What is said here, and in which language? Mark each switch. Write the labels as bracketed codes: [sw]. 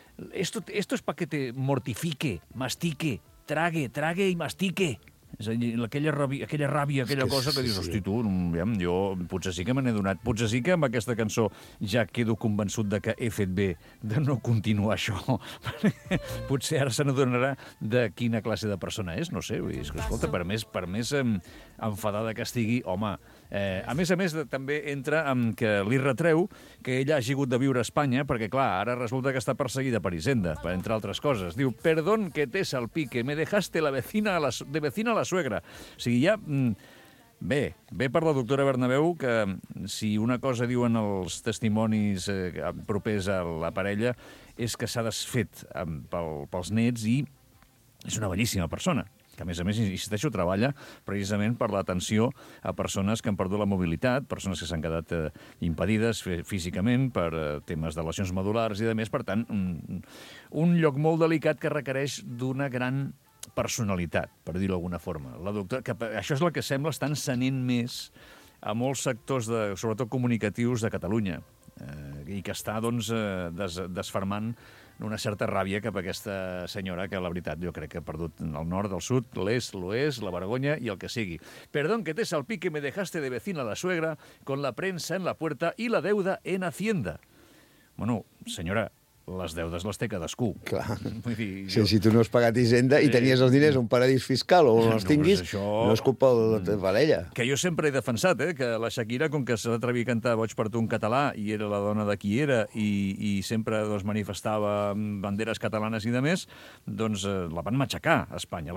[es] Esto es pa que te mortifique, mastique, trague i mastique. [ca] És a dir, aquella ràbia, aquella cosa que dius, hosti, tu, jo potser sí que me n'he donat. Potser sí que amb aquesta cançó ja quedo convençut de que he fet bé de no continuar això. Potser ara se n'adonarà de quina classe de persona és, no sé. És que, escolta, per més enfadada que estigui, home... A més, també entra en que li retreu que ella hagi hagut de viure a Espanya, perquè, clar, ara resulta que està perseguida per Hisenda, per entre altres coses. [es] Diu, perdón que te salpique, me dejaste la vecina a la, de vecina a la suegra. [ca] O sigui, ja... Bé, bé per la doctora Bernabéu, que si una cosa diuen els testimonis propers a la parella és que s'ha desfet pels nets i és una bellíssima persona. Que, a més, insisteixo, treballa precisament per l'atenció a persones que han perdut la mobilitat, persones que s'han quedat impedides físicament per temes de lesions medulars i, a més, per tant, un lloc molt delicat que requereix d'una gran personalitat, per dir-ho d'alguna forma. La doctora, que això és el que sembla estar encenent més a molts sectors, de, sobretot comunicatius, de Catalunya, i que està, doncs, desfermant una certa ràbia cap a aquesta senyora que, la veritat, jo crec que ha perdut el nord, el sud, l'est, l'oest, la vergonya i el que sigui. [es] Perdón que te salpique, me dejaste de vecina la suegra con la prensa en la puerta y la deuda en Hacienda. [ca] Bueno, senyora, les deudes les té cadascú. Clar. Vull dir, jo... Si tu no has pagat Hisenda i tenies els diners a un paradís fiscal o on els tinguis, això... no és culpa de la teva parella. Que jo sempre he defensat, que la Shakira, com que s'atrevia a cantar Boig per tu en català i era la dona de qui era i sempre doncs, manifestava banderes catalanes i demés, doncs la van matxacar a Espanya.